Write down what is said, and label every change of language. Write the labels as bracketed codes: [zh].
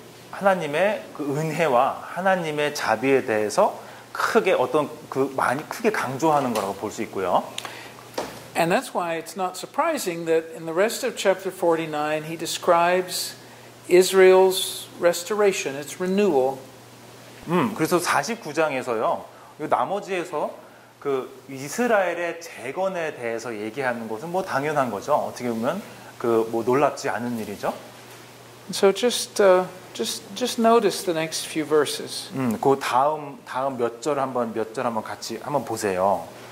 [ko] 하나님의 그 은혜와 하나님의 자비에 대해서 크게 어떤 그 많이 크게 강조하는 거라고 볼 수 있고요. [en] And that's why it's not surprising that in the rest of chapter 49 he describes Israel's restoration, its renewal. [ko] 그래서 49장에서요. 나머지에서 그 이스라엘의 재건에 대해서 얘기하는 것은 뭐 당연한 거죠. 어떻게 보면 그 뭐 놀랍지 않은 일이죠. [en] So just notice the next few verses. [ko] 그 다음 몇 절 한번 같이 한번 보세요.